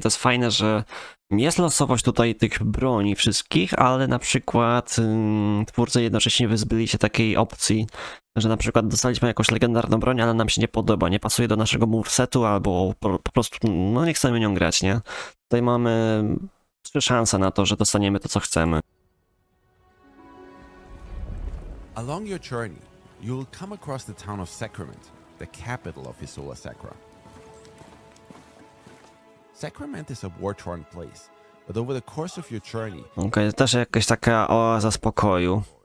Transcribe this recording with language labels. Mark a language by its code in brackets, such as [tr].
[pl] To jest fajne, że jest losowość tutaj tych broni wszystkich, ale na przykład twórcy jednocześnie wyzbyli się takiej opcji, że na przykład dostaliśmy jakąś legendarną broń, ale nam się nie podoba, nie pasuje do naszego movesetu, albo po prostu, no nie chcemy nią grać, nie? Tutaj mamy trzy szanse na to, że dostaniemy to, co chcemy. [en] Along your journey, you will come across the town of Sacrament, the capital of Hisola Sacra. Sacrament is a war-torn place, but over the course of your journey... [pl] Okej, okay, to też jakaś taka oaza spokoju.